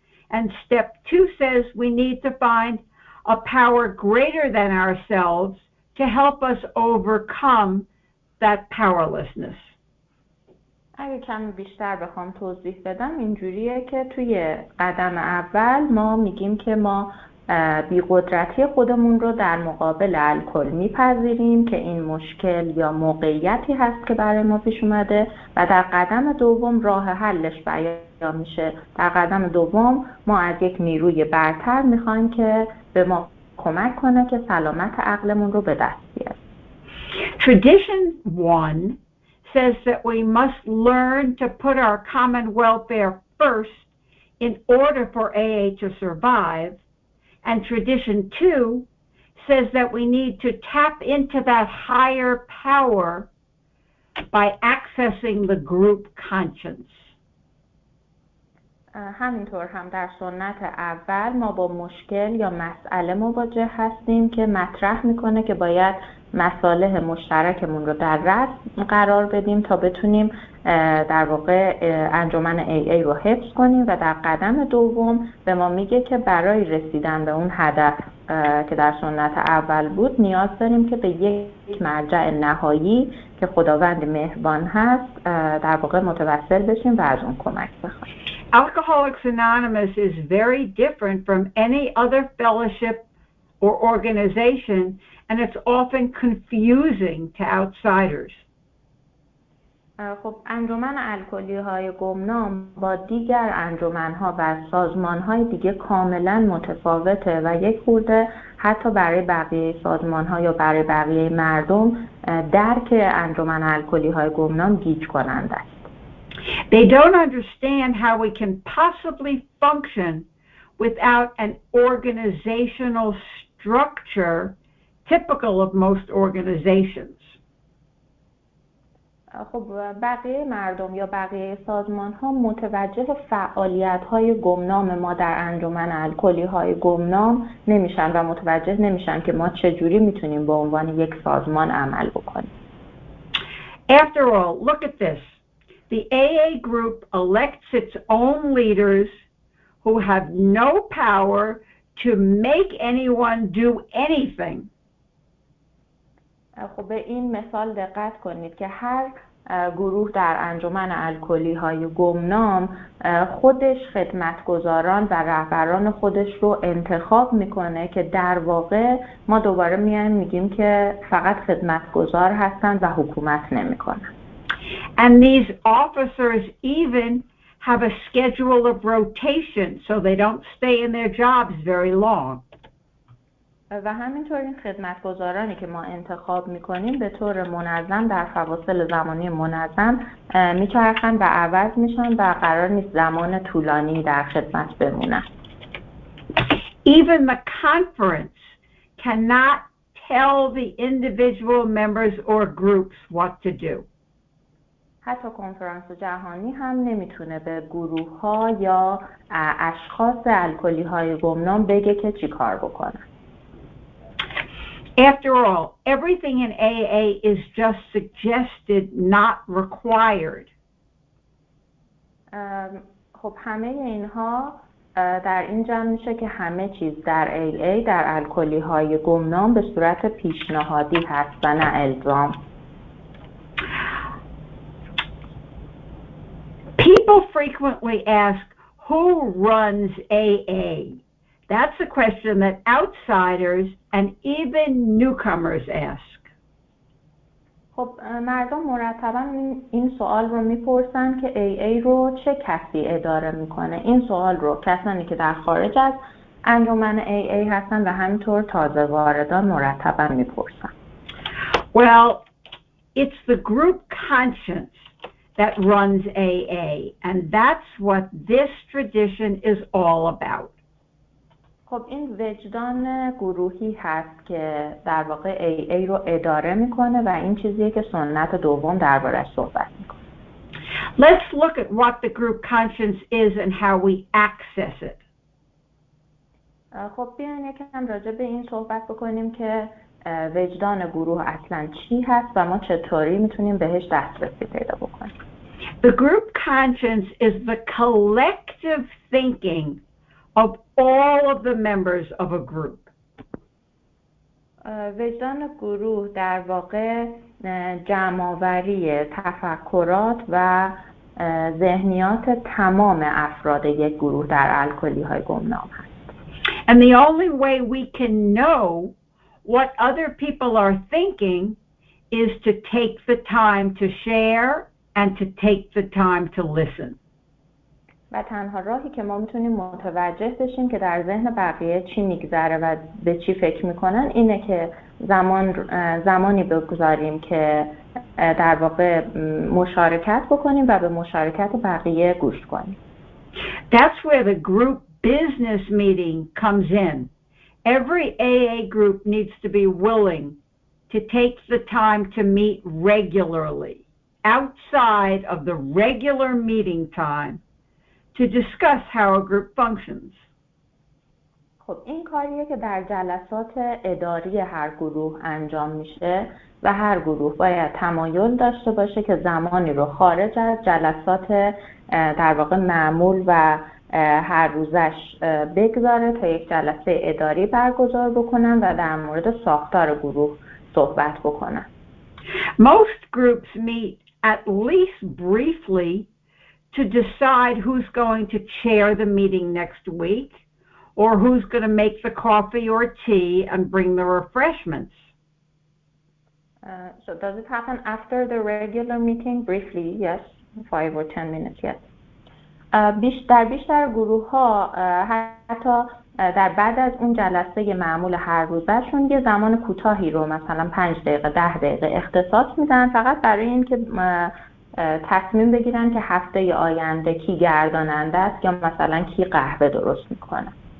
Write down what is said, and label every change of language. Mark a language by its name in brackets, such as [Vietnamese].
[English] And step two says we need to find a power greater than ourselves to help us overcome that powerlessness. [Persian] اگه کمی بیشتر بخوام توضیح بدم، اینجوریه که توی قدم اول ما میگیم که ما بیقدرتی خودمون رو در مقابل الکل میپذیریم که این مشکل یا موقعیتی هست که برای ما پیش اومده و در قدم دوم راه حلش بیان میشه. در قدم دوم ما از یک نیروی برتر میخوایم که به ما کمک کنه که سلامت عقلمون رو به دست بیاریم. [English] Tradition 1 says that we must learn to put our common welfare first in order for AA to survive. And tradition 2 says that we need to tap into that higher power by accessing the group conscience. [Persian] همینطور هم در سنت اول ما با مشکل یا مسئله مواجه هستیم که مطرح میکنه که باید مصالح مشترکمون رو در رأس قرار بدیم تا بتونیم در واقع انجمن AA رو حفظ کنیم و در قدم دوم به ما میگه که برای رسیدن به اون هدف که در سنت اول بود نیاز داریم که به یک مرجع نهایی که خداوند مهربان هست در واقع متوسل بشیم و از اون کمک بخوایم. [English] Alcoholics Anonymous is very different from any other fellowship or organization, and it's often confusing to outsiders. [Persian] خب انجمن الکلی های گمنام با دیگر انجمن ها و سازمان های دیگه کاملا متفاوته و یک خورده حتی برای بقیه سازمان ها یا برای بقیه مردم درک انجمن الکلی های گمنام گیج کننده است. [English] They don't understand how we can possibly function without an organizational structure typical of most organizations. [Persian] خب بقیه مردم یا بقیه سازمان ها متوجه فعالیت های گمنام ما در انجمن الکلی های گمنام نمیشن و متوجه نمیشن که ما چجوری میتونیم به عنوان یک سازمان عمل بکنیم. [English] After all, look at this. The AA group elects its own leaders who have no power to make anyone do anything. [Persian] خب به این مثال دقت کنید که هر گروه در انجمن الکلی های گمنام خودش خدمتگزاران و رهبران خودش رو انتخاب میکنه که در واقع ما دوباره میایم میگیم که فقط خدمتگزار هستن و حکومت نمیکنن. [English] And these officers even have a schedule of rotation so they don't stay in their jobs very long. [Persian] و همینطور این خدمتگزارانی که ما انتخاب میکنیم به طور منظم در فواصل زمانی منظم میچرخن و عوض میشن و قرار نیست زمان طولانی در خدمت بمونن. [English] Even the conference cannot tell the individual members or groups what to do. [Persian] حتی کنفرانس جهانی هم نمیتونه به گروه ها یا اشخاص الکلی های گمنام بگه که چی کار بکنن. [English] After all, everything in AA is just suggested, not required. [Persian] خب همه اینها در این جمع میشه که همه چیز در AA در الکلی های گمنام به صورت پیشنهادی هست و نه الزام. [English] People frequently ask, who runs AA? That's a question that outsiders and even newcomers ask. [Persian] خب مردم مرتبا این سوال رو میپرسن که AA رو چه کسی اداره میکنه؟ این سوال رو کسانی که در خارج از انجمن AA هستن و همینطور تازه واردان مرتبا میپرسن. [English] Well, it's the group conscience that runs AA, and that's what this tradition is all about. [Persian] خب این وجدان گروهی هست که در واقع AA رو اداره میکنه و این چیزیه که سنت دوم درباره‌اش صحبت میکنه. [English] Let's look at what the group conscience is and how we access it. [Persian] خب بیاین یکم راجع به این صحبت بکنیم که وجدان گروه اصلاً چی هست و ما چطوری میتونیم بهش دسترسی پیدا بکنیم. [English] The group conscience is the collective thinking of all of the members of a group. [Persian] وجدان گروه در واقع جمع‌آوری تفکرات و ذهنیات تمام افراد یک گروه در الکلی‌های گمنام است. [English] And the only way we can know what other people are thinking is to take the time to share and to take the time to listen. [Persian] و تنها راهی که ما میتونیم متوجه بشیم که در ذهن بقیه چی میگذره و به چی فکر میکنن اینه که زمانی بگذاریم که در واقع مشارکت بکنیم و به مشارکت بقیه گوش کنیم. [English] That's where the group business meeting comes in. Every AA group needs to be willing to take the time to meet regularly outside of the regular meeting time to discuss how a group functions. [Persian] خب این کاریه که در جلسات اداری هر گروه انجام میشه و هر گروه باید تمایل داشته باشه که زمانی رو خارج از جلسات در واقع معمول و هر روزش بگذاره تا یک جلسه اداری برگزار بکنن و در مورد ساختار گروه صحبت بکنن. [English] Most groups meet at least briefly to decide who's going to chair the meeting next week or who's going to make the coffee or tea and bring the refreshments. So does it happen after the regular meeting? Briefly, yes, 5 or 10 minutes, yes. [Persian] بیشتر بیشتر گروه ها حتی در بعد از اون جلسه معمول هر روز برشون یه زمان کوتاهی رو مثلا 5 دقیقه 10 دقیقه اختصاص میدن فقط برای اینکه تصمیم بگیرن که هفته آینده کی گرداننده است یا مثلا کی قهوه درست میکنه.